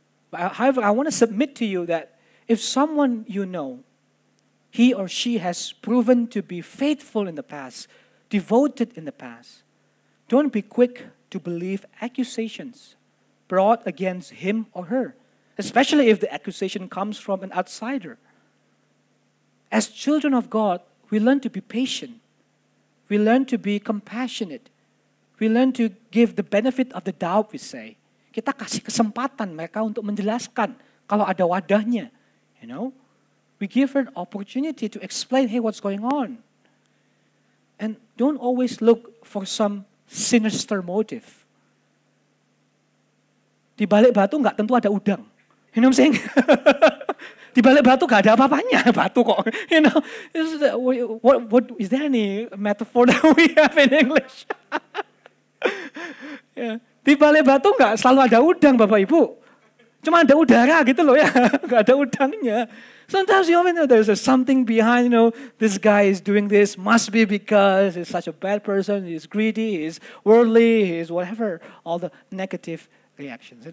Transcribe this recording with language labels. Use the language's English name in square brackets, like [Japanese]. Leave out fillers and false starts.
[English] But however, I want to submit to you that if someone you know, he or she has proven to be faithful in the past, devoted in the past, don't be quick to believe accusations brought against him or her, especially if the accusation comes from an outsider. As children of God, we learn to be patient. We learn to be compassionate. We learn to give the benefit of the doubt, we say. [Indonesian] Kita kasih kesempatan mereka untuk menjelaskan kalau ada wadahnya. [English] You know? We give her an opportunity to explain, hey, what's going on? And don't always look for some sinister motive. [Indonesian] Di balik batu enggak tentu ada udang. [English] You know what I'm saying? [Indonesian] Di balik batu gak ada apa-apanya, batu kok. [English] You know, what is there any metaphor that we have in English? [Indonesian] Yeah. Di balik batu gak selalu ada udang, Bapak Ibu. cuma ada udara gitu loh ya, nggak ada udangnya. [English] Sometimes you often know there's a something behind, you know, this guy is doing this, must be because he's such a bad person, he's greedy, he's worldly, he's whatever, all the negative reactions.